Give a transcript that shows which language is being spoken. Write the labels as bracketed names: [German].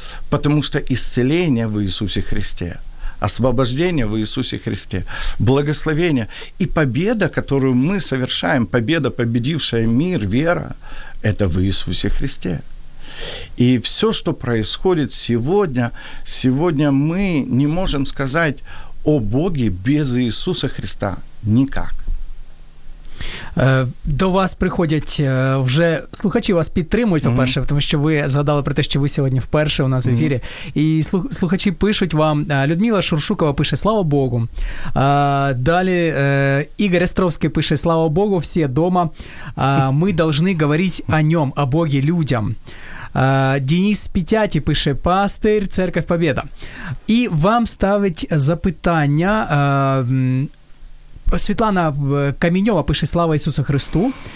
[Russian] потому что исцеление в Иисусе Христе, освобождение в Иисусе Христе, благословение и победа, которую мы совершаем, победа, победившая мир, вера, это в Иисусе Христе. И все, что происходит сегодня, сегодня мы не можем сказать о Боге без Иисуса Христа никак. [Ukrainian] До вас приходять вже слухачі, вас підтримують, по-перше, тому що ви згадали про те, що ви сьогодні вперше у нас в ефірі. І слухачі пишуть вам, Людмила Шуршукова пише «Слава Богу». Далі Ігор Естровський пише «Слава Богу, всі дома, ми повинні говорити о ньому, о Богі людям». Денис Петяти пише «Пастырь, Церковь Победа». І вам ставить запитання... Світлана Каміньова пише «Слава Ісусу Христу».